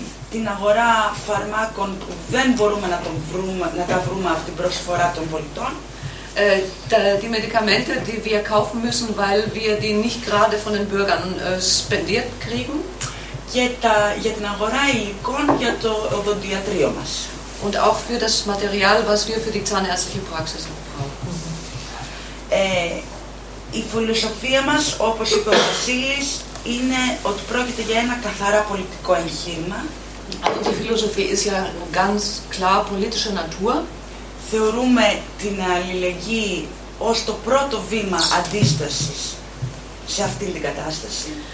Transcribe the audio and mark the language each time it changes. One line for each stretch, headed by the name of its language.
Greek: την αγορά φαρμάκων που δεν μπορούμε να τον βρούμε, να τα βρούμε από την προσφορά των πολιτών.
German: Die Medikamente, die wir kaufen müssen, weil wir die nicht gerade von den Bürgern spendiert kriegen.
Greek: Για την αγορά υλικών για το οδοντιατρείο μας.
German: Und auch für das Material, was wir für die zahnärztliche Praxis brauchen.
Greek: Η φιλοσοφία μας, όπως είπε ο Βασίλης, είναι ότι πρόκειται για ένα καθαρά πολιτικό εγχείρημα.
German: Also die Philosophie ist ja ganz klar politischer Natur.
Greek: Θεωρούμε την αλληλεγγύη ως το πρώτο βήμα αντίστασης σε αυτή την κατάσταση.